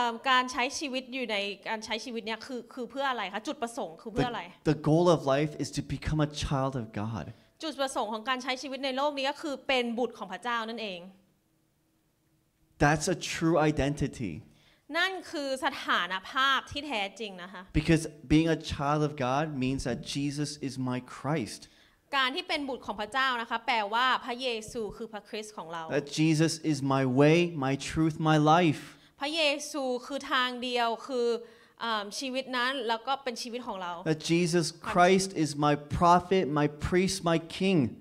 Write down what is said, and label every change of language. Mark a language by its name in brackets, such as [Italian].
[Thai] การใช้ชีวิตอยู่ในการใช้ชีวิตเนี้ยคือเพื่ออะไรคะจุดประสงค์คือเพื่ออะไร [English] The goal of life is to become a child of God [Thai] จุดประสงค์ของการใช้ชีวิตในโลกนี้ก็คือเป็นบุตรของพระเจ้านั่นเอง [English] That's a true identity [Thai] นั่นคือสถานภาพที่แท้จริงนะคะ [English] Because being a child of God means that Jesus is my Christ [Thai] การที่เป็นบุตรของพระเจ้านะคะแปลว่าพระเยซูคือพระคริสต์ของเรา [English] That Jesus is my way, my truth, my life [Thai] พระเยซูคือทางเดียวคือชีวิตนั้นแล้วก็เป็นชีวิตของเรา [English] That Jesus Christ is my prophet, my priest, my king.